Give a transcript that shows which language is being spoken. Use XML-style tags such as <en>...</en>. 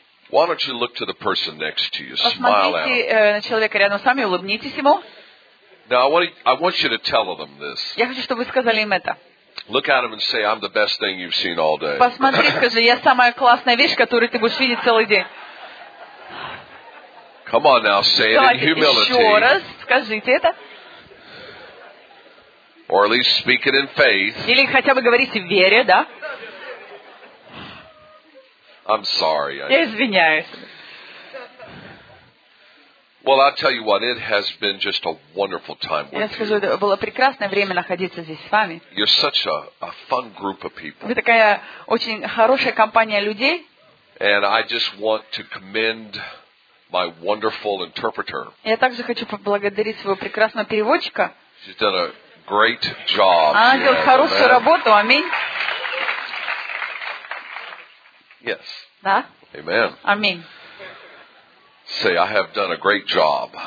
<en>Why don't you look to the person next to you? Smile at him.</en> <ru>На человека рядом с вами, улыбнитесь ему.</ru> <en>Now I want you to tell them this.</en> <ru>Я хочу, чтобы вы сказали им это.</ru> <en>Look at him and say, "I'm the best thing you've seen all day."</en> <ru>Посмотри, скажи, я самая классная вещь, которую ты будешь видеть целый день.</ru> <en>Come on now, say it in humility.</en> <ru>Еще раз скажите это.</ru> <en>Or at least speak it in faith.</en> <ru>Или хотя бы говорите в вере, да?</ru> <en>I'm sorry.</en> <ru>Я извиняюсь.</ru> <en>Well, I'll tell you what, it has been just a wonderful time with you.</en> <ru>Я скажу, это было прекрасное время находиться здесь с вами.</ru> <en>You're such a fun group of people.</en> <ru>Вы такая очень хорошая компания людей.</ru> <en>And I just want to commend my wonderful interpreter.</en> <ru>Я также хочу поблагодарить своего прекрасного переводчика.</ru> <en>She's done a great job.</en> <ru>Она делает хорошую работу. Аминь.</ru> <en>Yes.</en> <ru>Да?</ru> <en>Amen. Amen. Say, I have done a great job.</en>